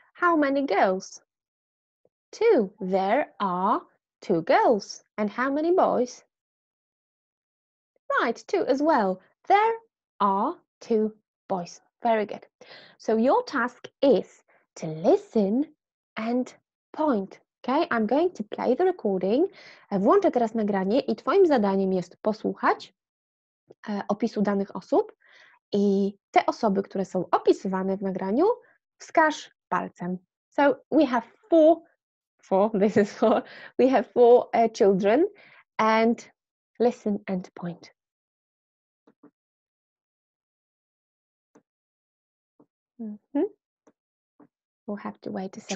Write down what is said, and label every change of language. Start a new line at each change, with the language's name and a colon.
English: How many girls? Two. There are two girls. And how many boys? Right, two as well. There are two boys. Very good. So your task is to listen and point. Okay, I'm going to play the recording.
Polish: Włączę teraz nagranie i twoim zadaniem jest posłuchać opisu danych osób i te osoby, które są opisywane w nagraniu, wskaż palcem.
English: So we have four children, and listen and point. Mm-hmm. We'll have to wait a second.